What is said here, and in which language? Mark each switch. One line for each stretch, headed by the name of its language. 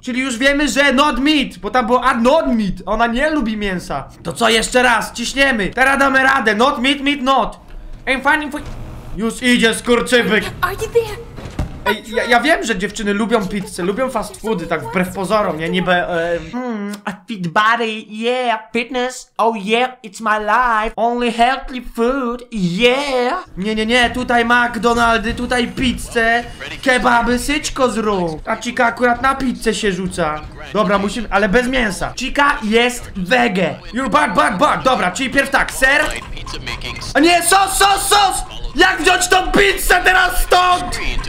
Polish: Czyli już wiemy, że not meat, bo tam było, a not meat, ona nie lubi mięsa. To co, jeszcze raz, ciśniemy, teraz damy radę, not meat, meat, not.
English: I'm finding for...
Polish: Już idzie, skurczybyk.
English: Are you there?
Polish: Ej, ja wiem, że dziewczyny lubią pizzę, lubią fast foody, tak wbrew pozorom, nie? Niby,
English: A fit body, yeah, fitness, oh yeah, it's my life, only healthy food, yeah.
Polish: Nie, tutaj McDonald's, tutaj pizzę, kebaby, syczko zrób. A Chica akurat na pizzę się rzuca. Dobra, musimy, ale bez mięsa. Chica jest wege.
English: You're back,
Polish: dobra, czyli pierw tak, ser. A nie, sos! Jak wziąć tą pizzę teraz stąd?